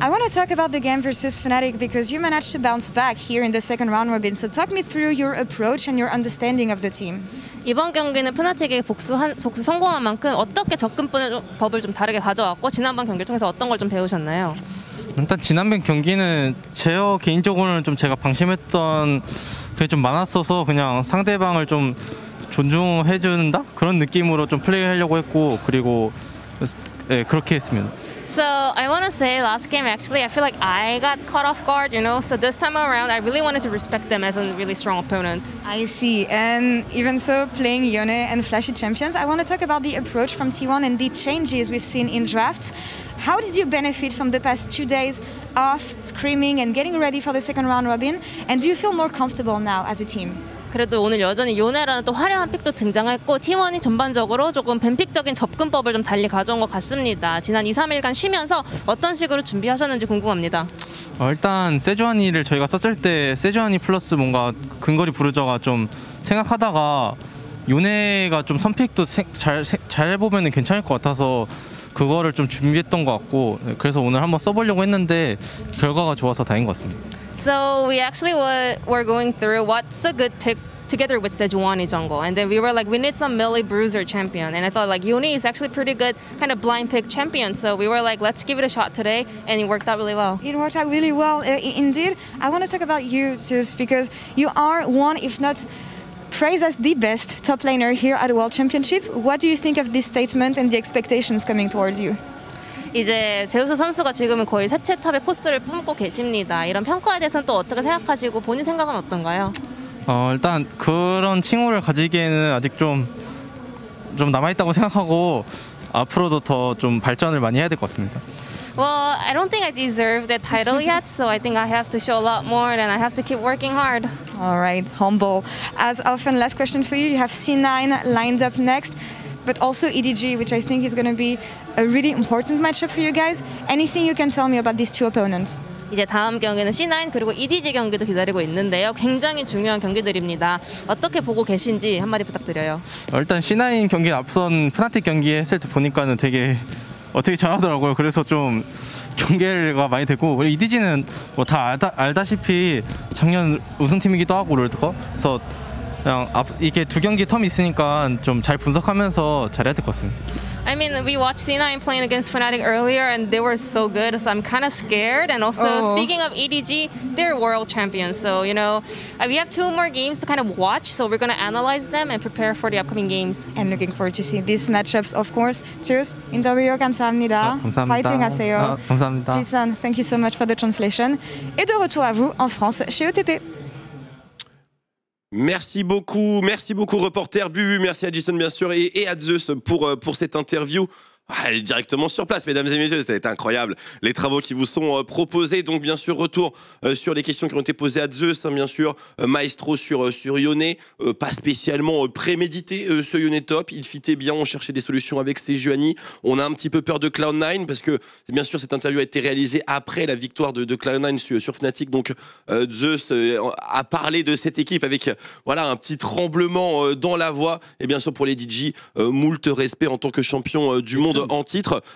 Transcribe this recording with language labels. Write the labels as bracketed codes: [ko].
[en] I want to talk about the game versus Fnatic because you managed to bounce back here in the second round, Robin. So talk me through your approach and your understanding of the team. [ko] 이번 경기는 Fnatic에 복수 성공한 만큼 어떻게 접근법을 좀 다르게 가져왔고 지난번 경기를 통해서 어떤 걸 좀 배우셨나요? 일단 지난번 경기는 제어 개인적으로는 좀 제가 방심했던 그게 좀 많았어서 그냥 상대방을 좀 존중해준다 그런 느낌으로 좀 플레이하려고 했고 그리고 예 그렇게 했습니다. [en] So I want to say last game actually I feel like I got caught off guard, you know. So this time around I really wanted to respect them as a really strong opponent. I see. And even so, playing Yone and Flashy Champions, I want to talk about the approach from T1 and the changes we've seen in drafts. How did you benefit from the past 2 days of screaming and getting ready for the second round, Robin? And do you feel more comfortable now as a team? [ko] 그래도 오늘 여전히 요네라는 또 화려한 픽도 등장했고 T1이 전반적으로 조금 뱀픽적인 접근법을 좀 달리 가져온 것 같습니다. 지난 2, 3일간 쉬면서 어떤 식으로 준비하셨는지 궁금합니다. 일단 세주아니를 저희가 썼을 때 세주아니 플러스 뭔가 근거리 브루저가 좀 생각하다가 요네가 좀 선픽도 잘 해보면 괜찮을 것 같아서 그거를 좀 준비했던 것 같고 그래서 오늘 한번 써보려고 했는데 결과가 좋아서 다행인 것 같습니다. [en] So we actually were going through what's a good pick together with Sejuani jungle. And then we were like, we need some melee bruiser champion. And I thought like, Yone is actually pretty good kind of blind pick champion. So we were like, let's give it a shot today. And it worked out really well. It worked out really well. Indeed, I want to talk about you, Zeus, because you are one, if not praised as the best top laner here at World Championship. What do you think of this statement and the expectations coming towards you? [ko] 이제 제우스 선수가 지금은 거의 세체 탑의 포스를 품고 계십니다. 이런 평가에 대해서는 또 어떻게 생각하시고 본인 생각은 어떤가요? 일단 그런 칭호를 가지기에는 아직 좀 남아있다고 생각하고 앞으로도 더 좀 발전을 많이 해야 될 것 같습니다. [en] Well, I don't think I deserve that title yet, so I think I have to show a lot more and I have to keep working hard. All right, humble. As often, last question for you. You have C9 lined up next. But also EDG, which I think is going to be a really important matchup for you guys. Anything you can tell me about these two opponents? [ko] 이제 다음 경기는 C9 그리고 EDG 경기도 기다리고 있는데요. 굉장히 중요한 경기들입니다. 어떻게 보고 계신지 한마디 부탁드려요. 일단 C9 경기 앞선 Fnatic 경기 했을 때 보니까는 되게 어떻게 잘하더라고요. 그래서 좀 경계가 많이 됐고 EDG는 뭐 다 알다시피 작년 우승팀이기도 하고 롤드컵. 그래서 그냥 이게 두 경기 텀 있으니까 좀 잘 분석하면서 잘해야 될 것 같습니다. [en] I mean, we watched C9 playing against Fnatic earlier and they were so good. So I'm kind of scared. And also, speaking of EDG, they're world champions. So, you know, we have two more games to kind of watch. So we're going to analyze them and prepare for the upcoming games. And looking forward to see these matchups, of course. [ko] Cheers. 인터뷰 감사합니다. 감사합니다. 파이팅 하세요. 감사합니다. [en] G-san, thank you so much for the translation. [fr] Et de retour à vous en France chez OTP. Merci beaucoup reporter Bubu, merci à Jason bien sûr et à Zeus pour cette interview. Allez, directement sur place, mesdames et messieurs, c'était incroyable les travaux qui vous sont proposés. Donc bien sûr, retour sur les questions qui ont été posées à Zeus, hein, bien sûr, Maestro sur Yone, pas spécialement prémédité ce Yone top, il fitait bien, on cherchait des solutions avec Sejuani, on a un petit peu peur de Cloud9 parce que bien sûr cette interview a été réalisée après la victoire de Cloud9 sur Fnatic, donc Zeus a parlé de cette équipe avec voilà, un petit tremblement dans la voix et bien sûr pour les DJ, moult respect en tant que champion du monde en titre.